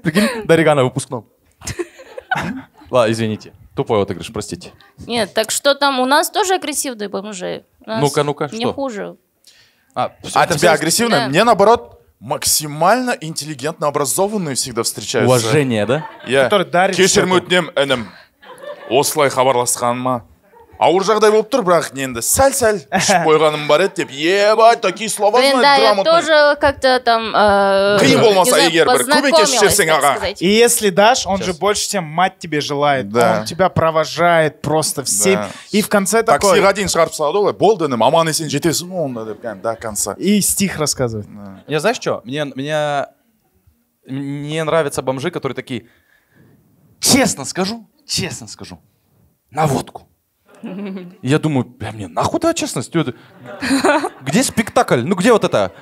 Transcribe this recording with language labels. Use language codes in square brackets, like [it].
[ru] Прикинь, Дарига на выпускном. Ладно, извините. Тупой отыгрыш, простите. Нет, так что там, у нас тоже агрессивные бомжи. Ну-ка, ну-ка, не что? Не хуже. А тебе все... агрессивно? Да. Мне, наоборот, максимально интеллигентно образованные всегда встречаются. Уважение, да? [kk] Я кешірім өтінем, інім. Осылай хабарласқаныма. Ауыр жағдай болып тұр, бірақ енді сәл-сәль ішіп қойғаным бар еді деп. [ru] Ебать, такие слова знают грамотно. Да, я тоже как-то там... [kk] Қиын болмаса, егер бір көмеке ішерсің, аға. [ru] И если дашь, он же больше, чем мать тебе желает. Да. Он тебя провожает просто всем. И в конце такой... [kk] Таксиға дейін шығарып салады ғой, болды інім, аман есен жетесің ғой, онда деп, [ru] до конца. И стих рассказывает. Я знаешь что, мне нравятся бомжи, которые такие... Честно скажу, на водку. Я думаю, бля, мне нахуй твоя честность? Где спектакль? Ну где вот это?